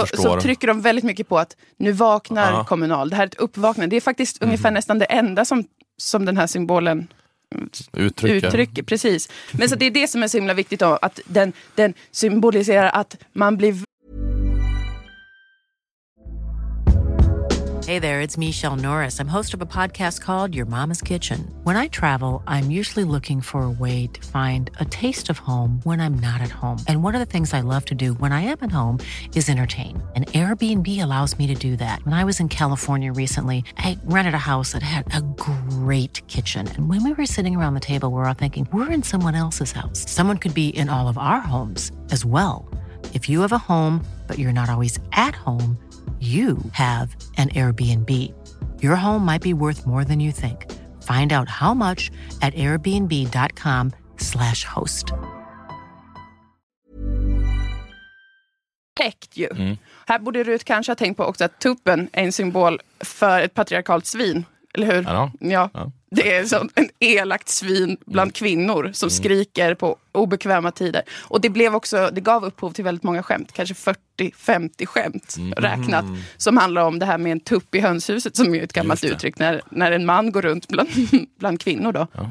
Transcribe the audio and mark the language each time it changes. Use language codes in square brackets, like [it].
[sv] Så trycker de väldigt mycket på att nu vaknar Kommunal. Det här är ett uppvaknande. Det är faktiskt ungefär nästan det enda som den här symbolen uttrycker. Precis. Men så det är det som är så himla viktigt då. Att den symboliserar att man blir... [en] Hey there, it's Michelle Norris. I'm host of a podcast called Your Mama's Kitchen. When I travel, I'm usually looking for a way to find a taste of home when I'm not at home. And one of the things I love to do when I am at home is entertain. And Airbnb allows me to do that. When I was in California recently, I rented a house that had a great kitchen. And when we were sitting around the table, we're all thinking, we're in someone else's house. Someone could be in all of our homes as well. If you have a home, but you're not always at home, you have an Airbnb. Your home might be worth more than you think. Find out how much at airbnb.com/host. [sv] Perfekt ju. Här borde Rut kanske ha tänkt på också att tuppen är en symbol för ett patriarkalt svin. Eller hur? Ja. Ja. Det är som en elakt svin bland kvinnor som skriker på obekväma tider. Och det blev också, det gav upphov till väldigt många skämt, kanske 40-50 skämt räknat, som handlar om det här med en tupp i hönshuset, som är ett gammalt uttryck när en man går runt bland kvinnor då. Ja,